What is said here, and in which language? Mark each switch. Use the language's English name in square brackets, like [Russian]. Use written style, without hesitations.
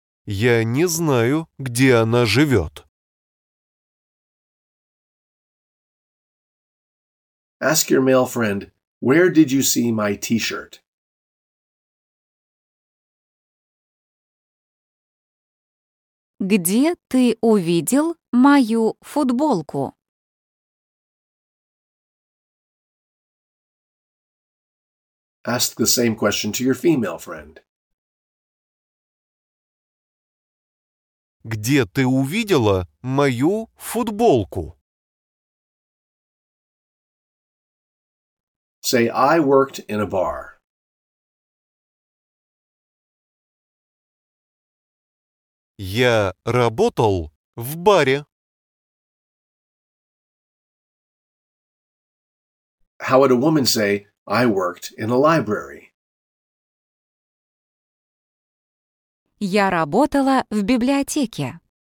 [Russian] Я не знаю, где она живет. [English] Ask your male friend, where did you see my t-shirt? [Russian] Где ты увидел мою футболку? [English] Ask the same question to your female friend. [Russian] Где ты увидела мою футболку? [English] Say, I worked in a bar. [Russian] Я работал в баре. [English] How would a woman say, I worked in a library? [Russian] Я работала в библиотеке.